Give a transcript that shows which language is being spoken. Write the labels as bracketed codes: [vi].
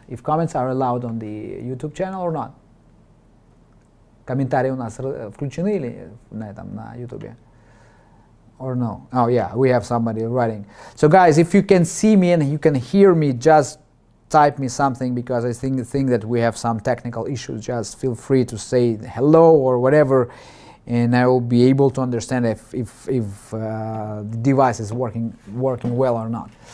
[en] If comments are allowed on the YouTube channel or not. [ru] Комментарии у нас включены или на этом на YouTube? [en] Or no? Oh yeah, we have somebody writing. So guys, if you can see me and you can hear me, just type me something, because I think that we have some technical issues. Just feel free to say hello or whatever, and I will be able to understand if the device is working well or not.